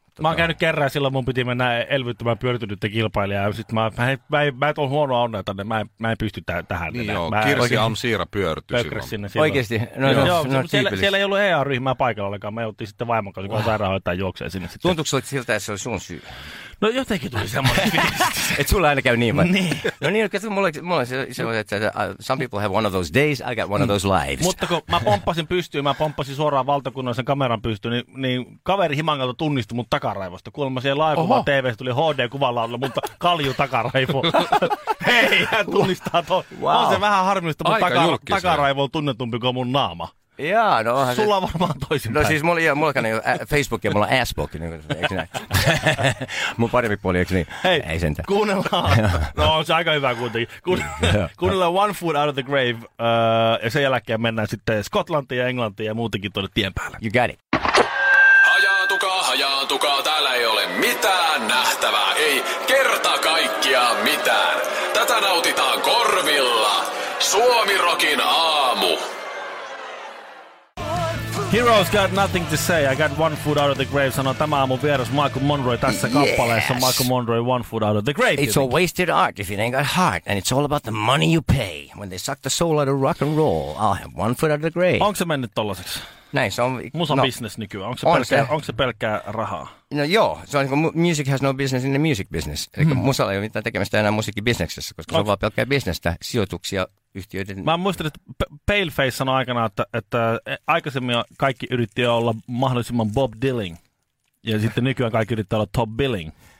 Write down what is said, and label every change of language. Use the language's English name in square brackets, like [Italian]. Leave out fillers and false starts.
[Finnish] Mä oon käynyt kerran, silloin mun piti mennä elvyttämään pyörtynytten kilpailijaa, ja sit mä en tuon huonoa onnea tänne, mä en pysty tähän. Niin joo, Kirsi Amsiira pyörtyi silloin. Oikeesti? Siellä ei ollut EA-ryhmää paikalla ollenkaan, me jouttiin sitten vaimon kanssa, kun sairaanhoitaja juoksee sinne sitten. Tuntuuko sulle siltä, että se oli sun syy? No jotenkin tuli semmoinen viesti. Et sulla aina käy niin vai? Niin. No niin, mulla on semmoinen, että [English] some people have one of those days, I got one of those lives. [Finnish] Mutta kun mä pomppasin suoraan valtakunnallisen kameran pystyyn, niin kaveri himangalta tunnistui mun takaraivosta. Kuulemma siihen laajakuva TV:stä tuli HD-kuvalla, mutta kalju takaraivo. Hei, hän tunnistaa toi. Wow. On se vähän harmillista, mutta takaraivo on tunnetumpi kuin mun naama. Jaa, no onhan sulla se... varmaan toisin. No siis mulla on Facebook ja mulla on Assbook, niin kuin, eikö näin? Mun parempi puoli, eikö niin? Hei, ei sentään. Kuunnellaan. No on se aika hyvä kuitenkin. Kuunnellaan One Foot Out of the Grave, ja sen jälkeen mennään sitten Skotlantiin ja Englantiin ja muutenkin tuonne tien päälle. [English] You got it. [Finnish] Hajaantukaa, hajaantukaa, täällä ei ole mitään nähtävää, ei kerta kaikkiaan mitään. Tätä nautitaan korvilla. Suomirokin aamu. [English] Heroes got nothing to say, I got one foot out of the grave, [Finnish] sanoo tämä aamun vieras Michael Monroe tässä kappaleessa. [English] Michael Monroe, one foot out of the grave. It's a wasted art if it ain't got heart, and it's all about the money you pay. When they suck the soul out of rock and roll, I'll have one foot out of the grave. [Finnish] Onko se mennyt tollaiseksi? Näin, se on... Musan no, business nykyään, onko se pelkkää rahaa? No joo, se on niin kuin [English] music has no business in the music business. [Finnish] Eli musalla ei ole mitään tekemistä enää musiikkibisneksessä, koska se on vaan pelkkää bisnestä, sijoituksia yhtiöiden... Mä muistan, että Paleface sanoi aikanaan, että aikaisemmin kaikki yritti olla mahdollisimman Bob Dylan, ja sitten nykyään kaikki yrittää olla Top Billing.